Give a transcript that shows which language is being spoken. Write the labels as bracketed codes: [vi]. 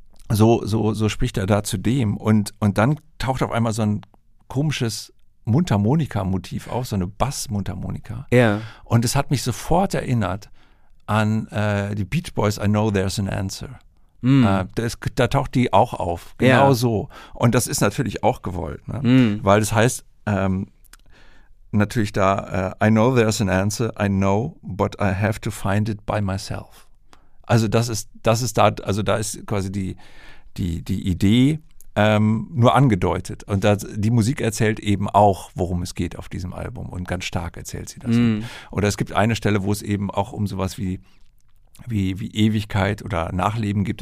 [de] So spricht er da zu dem und dann taucht auf einmal so ein komisches Mundharmonika-Motiv auf, so eine Bass-Mundharmonika. Ja. Yeah. Und es hat mich sofort erinnert an die Beach Boys, I Know There's an Answer. Da taucht die auch auf, genau yeah. so. Und das ist natürlich auch gewollt, ne? Weil das heißt natürlich da, [en] I know there's an answer, I know, but I have to find it by myself. [de] Also das ist da, also da ist quasi die Idee nur angedeutet. Und das, die Musik erzählt eben auch, worum es geht auf diesem Album. Und ganz stark erzählt sie das. Mm. Oder es gibt eine Stelle, wo es eben auch um sowas wie Ewigkeit oder Nachleben gibt.